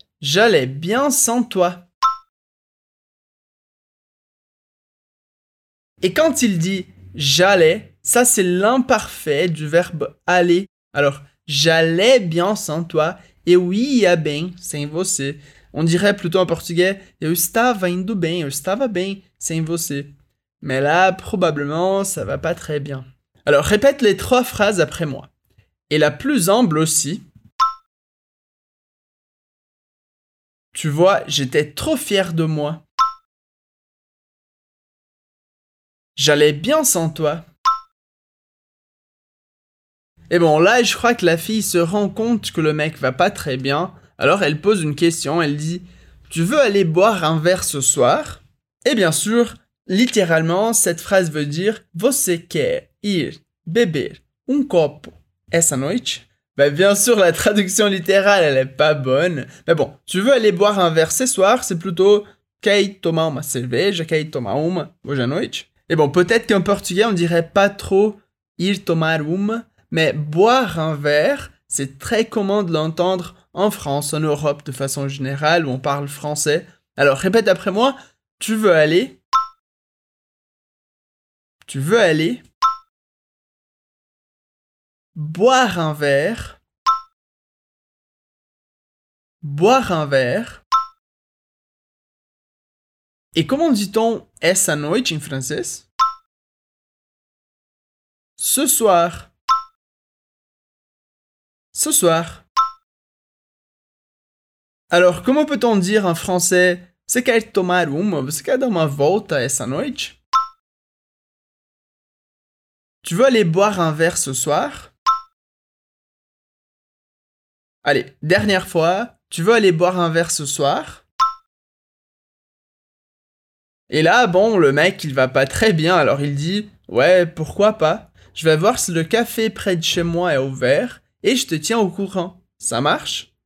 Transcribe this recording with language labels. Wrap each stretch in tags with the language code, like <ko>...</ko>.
<fr>J'allais bien sans toi. Et quand il dit « j'allais », ça c'est l'imparfait du verbe « aller ». Alors, « j'allais bien sans toi », et oui, «</fr> <pt>ia bem », sem você.</pt> <fr>On dirait plutôt en portugais «</fr> <pt>eu estava indo bem », »,« eu estava bem », sem você.</pt> <fr>Mais là, probablement, ça va pas très bien. Alors, répète les trois phrases après moi. Et la plus humble aussi. Tu vois, j'étais trop fier de moi. J'allais bien sans toi. Et bon, là, je crois que la fille se rend compte que le mec va pas très bien. Alors, elle pose une question. Elle dit, tu veux aller boire un verre ce soir? Et bien sûr, littéralement, cette phrase veut dire,</fr> <pt>você quer ir beber un copo essa noite?</pt> <fr>Bah, bien sûr, la traduction littérale, elle est pas bonne. Mais bon, tu veux aller boire un verre ce soir? C'est plutôt,</fr> <pt>quer tomar uma cerveja, quer tomar uma hoje à noite?</pt> <fr>Et bon, peut-être qu'en portugais, on dirait pas trop</fr> <pt>ir tomar uma,</pt> <fr>mais boire un verre, c'est très commun de l'entendre en France, en Europe, de façon générale, où on parle français. Alors, répète après moi, tu veux aller? Tu veux aller? Boire un verre? Boire un verre? Et comment dit-on «</fr> <pt>essa noite</pt> <fr>» en français? Ce soir. Ce soir. Alors, comment peut-on dire en français «</fr> <pt>Você quer tomar uma? Você quer dar uma volta essa noite?</pt> <fr>» Tu veux aller boire un verre ce soir? Allez, dernière fois, tu veux aller boire un verre ce soir? Et là, bon, le mec, il va pas très bien, alors il dit, ouais, pourquoi pas? Je vais voir si le café près de chez moi est ouvert, et je te tiens au courant. Ça marche?</fr>